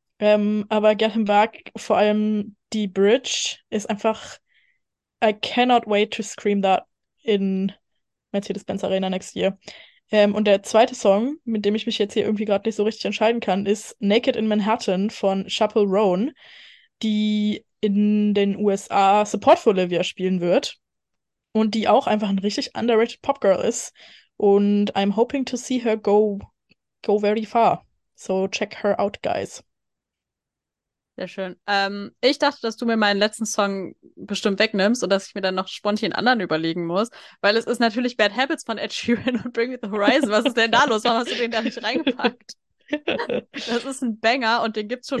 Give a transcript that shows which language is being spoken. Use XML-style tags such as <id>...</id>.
<de>Aber Get Him Back, vor allem die Bridge, ist einfach</de> <en>I cannot wait to scream that in Mercedes-Benz Arena next year.</en> <de>Und der zweite Song, mit dem ich mich jetzt hier irgendwie gerade nicht so richtig entscheiden kann, ist Naked in Manhattan von Chappell Roan, die in den USA</de> <en>Support for Olivia</en> <de>spielen wird und die auch einfach ein richtig underrated Popgirl ist. Und</de> <en>I'm hoping to see her go very far. So check her out, guys.</en> <de>Sehr schön. Ich dachte, dass du mir meinen letzten Song bestimmt wegnimmst und dass ich mir dann noch spontan anderen überlegen muss, weil es ist natürlich Bad Habits von Ed Sheeran und Bring Me the Horizon. Was ist denn da los? Warum hast du den da nicht reingepackt? Das ist ein Banger und den gibt's schon</de>